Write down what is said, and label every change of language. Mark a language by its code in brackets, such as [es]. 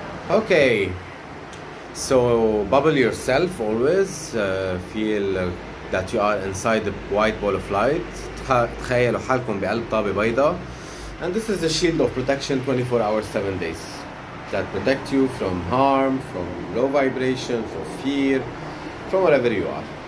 [en] Okay, so bubble yourself always, feel that you are inside the white ball of light. [ar] تخيلوا حالكم بقلب طابة بيضاء. [en] And this is a shield of protection 24 hours, 7 days that protect you from harm, from low vibration, from fear, from wherever you are.